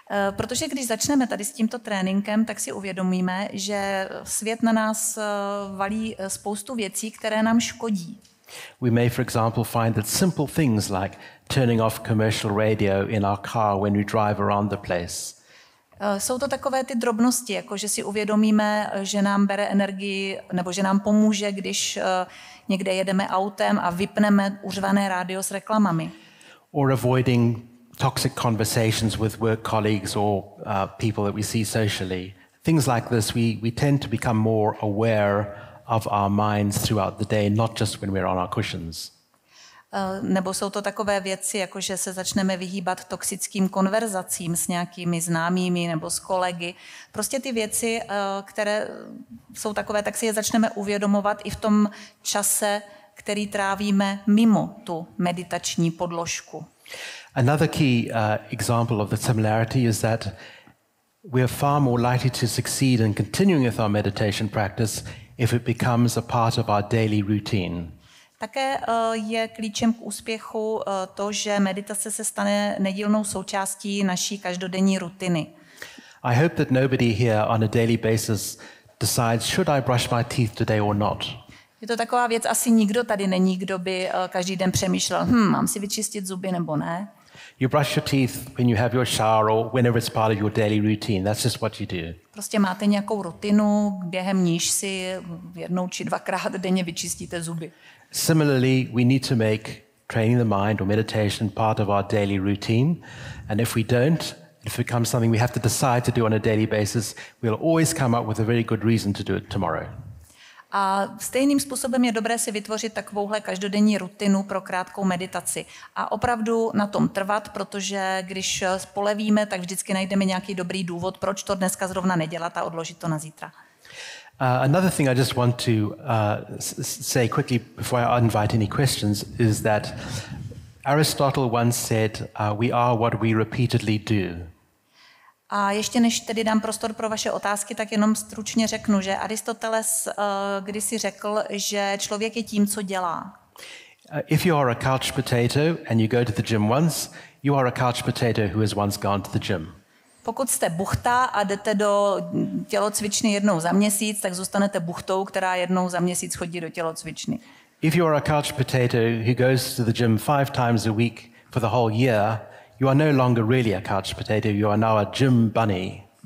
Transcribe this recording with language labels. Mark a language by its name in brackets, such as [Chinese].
[Czech] Protože když začneme tady s tímto tréninkem, tak si uvědomíme, že svět na nás valí spoustu věcí, které nám škodí. [English] We may, for example, find that simple things like turning off commercial radio in our car when we drive around the place. [Czech] Jsou to takové ty drobnosti, jako že si uvědomíme, že nám bere energii, nebo že nám pomůže, když někde jedeme autem a vypneme uřvané rádio s reklamami. [English] Or avoiding toxic conversations with work colleagues or people that we see socially. Things like this, we tend to become more aware of our minds throughout the day, not just when we're on our cushions. [Czech] Nebo jsou to takové věci, jako že se začneme vyhýbat toxickým konverzacím s nějakými známými nebo s kolegy. Prostě ty věci, které jsou takové, tak si je začneme uvědomovat i v tom čase, který trávíme mimo tu meditační podložku. [English] Another key example of the similarity is that we are far more likely to succeed in continuing with our meditation practice if it becomes a part of our daily routine. [Czech] Také je klíčem k úspěchu to, že meditace se stane nedílnou součástí naší každodenní rutiny. [English] I hope that nobody here on a daily basis decides should I brush my teeth today or not. [Czech] Je to taková věc, asi nikdo tady není, kdo by každý den přemýšlel, mám si vyčistit zuby nebo ne. [English] You brush your teeth when you have your shower or whenever it's part of your daily routine. That's just what you do. [Czech] Prostě máte nějakou rutinu, během níž si jednou či dvakrát denně vyčistíte zuby. [English] Similarly, we need to make training the mind or meditation part of our daily routine. And if we don't, If it becomes something we have to decide to do on a daily basis, we'll always come up with a very good reason to do it tomorrow. [Czech] A stejným způsobem je dobré si vytvořit takovouhle každodenní rutinu pro krátkou meditaci. A opravdu na tom trvat, protože když polevíme, tak vždycky najdeme nějaký dobrý důvod, proč to dneska zrovna nedělat a odložit to na zítra. [English] Another thing I just want to say quickly before I invite any questions is that Aristotle once said, we are what we repeatedly do. [Czech] A ještě než tedy dám prostor pro vaše otázky, tak jenom stručně řeknu, že Aristoteles kdysi řekl, že člověk je tím, co dělá. [English] If you are a couch potato and you go to the gym once, you are a couch potato who has once gone to the gym. [Czech] Pokud jste buchta a jdete do tělocvičny jednou za měsíc, tak zůstanete buchtou, která jednou za měsíc chodí do tělocvičny. [English] If you are a couch potato who goes to the gym 5 times a week for the whole year, you are no longer really a couch potato, you are now a gym bunny.